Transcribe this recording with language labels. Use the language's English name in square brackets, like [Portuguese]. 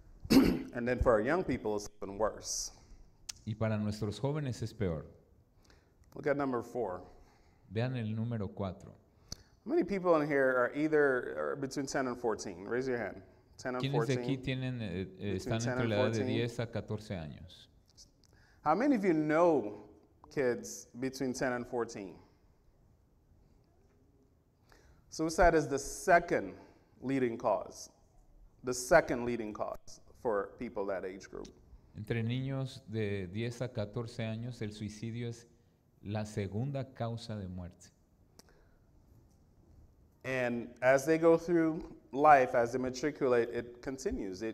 [English] And then for our young people, it's even worse. [Spanish] Y para nuestros jóvenes es peor. [English] Look at number four. [Spanish] Vean el número cuatro. [English] How many people in here are either or between 10 and 14? Raise your hand. 10 and 14. [Spanish] ¿Quiénes de aquí tienen, están entre la edad de 10 a 14 años? [English] How many of you know kids between 10 and 14? Suicide is the second leading cause. The second leading cause for people that age group. [Spanish] Entre niños de 10 a 14 años, el suicidio es la segunda causa de muerte. [English] And as they go through life, as they matriculate, it continues.